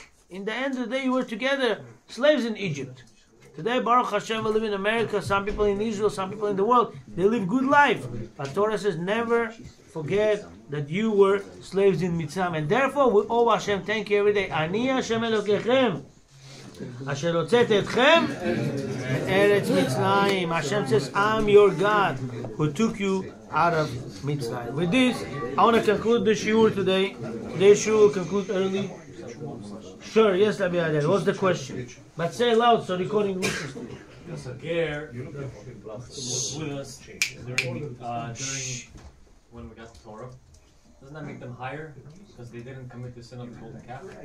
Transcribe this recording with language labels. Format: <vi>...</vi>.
<en>In the end of the day, you were together, slaves in Egypt. Today, Baruch Hashem, we live in America, some people in Israel, some people in the world, they live good life. But Torah says, never forget that you were slaves in Mitzrayim. And therefore, we owe Hashem, thank you every day.</en> <he>Ani Hashem Elokechem, אשר הוצאת אתכם מארץ מצרים.</he> <en>Hashem says, I'm your God who took you out of Mitzrayim. With this, I want to conclude the shiur today. Today's shiur conclude early. Sure, yes, Rabbi Adel. What's the question? But say it loud so recording will be. When we got the Torah, doesn't that make them higher because they didn't commit the sin of the golden calf?</en>